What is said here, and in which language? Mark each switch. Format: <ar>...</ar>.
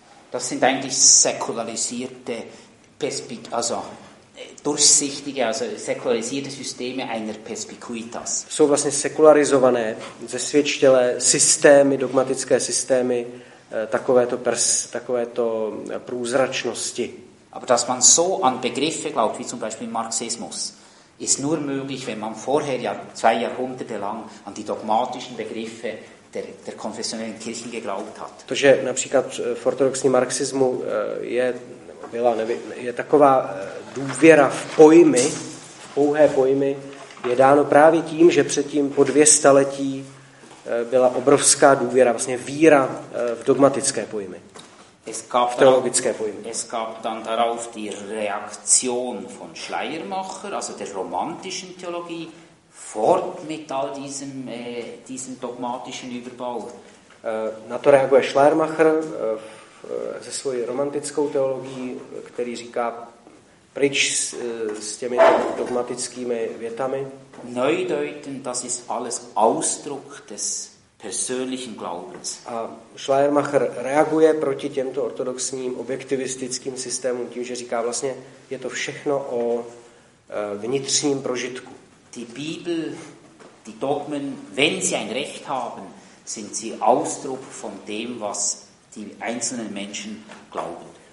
<de>Das sind eigentlich säkularisierte säkularisierte Systeme einer Perspicuitas.</de> <cs>Jsou vlastně sekularizované, zesvětštělé systémy, dogmatické systémy takovéto průzračnosti.</cs> <de>Aber dass man so an Begriffe glaubt, wie zum Beispiel Marxismus, ist nur möglich, wenn man vorher ja zwei Jahrhunderte lang an die dogmatischen Begriffe der konfessionellen Kirchen geglaubt hat.</de> <cs>To, že například v ortodoxním marxismu je taková důvěra v pojmy, v pouhé pojmy, je dáno právě tím, že předtím po 200 let byla obrovská důvěra, vlastně víra v dogmatické pojmy. V teologické pojmy.</cs> <de>Es gab dann darauf die Reaktion von Schleiermacher, also der romantischen Theologie, fort mit all diesem dogmatischen Überbau.</de> <cs>Na to reaguje Schleiermacher se svojí romantickou teologií, který říká pryč s těmi dogmatickými větami.</cs> <de>Neudeuten, das ist alles Ausdruck des persönlichen Glaubens.</de> <cs>A Schleiermacher reaguje proti těmto ortodoxním objektivistickým systémům tím, že říká vlastně, je to všechno o vnitřním prožitku.</cs> <de>Die Bibel, die Dogmen, wenn sie ein Recht haben, sind sie Ausdruck von dem, was die einzelnen Menschen glauben.</de>